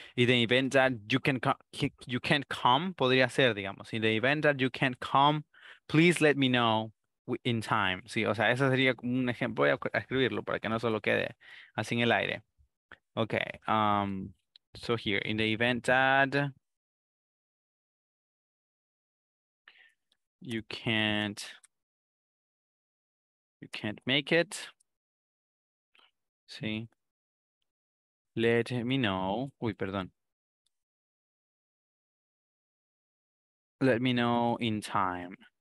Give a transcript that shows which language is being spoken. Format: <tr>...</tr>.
<en>In the event that you can't come,</en> <es>podría ser, digamos,</es> <en>in the event that you can't come, please let me know in time, ¿sí?</en> <es>O sea, ese sería un ejemplo, voy a escribirlo para que no solo quede así en el aire.</es> <en>Okay, so here, in the event that you can't make it,</en> <es>sí,</es> <en>let me know, let me know in time.</en>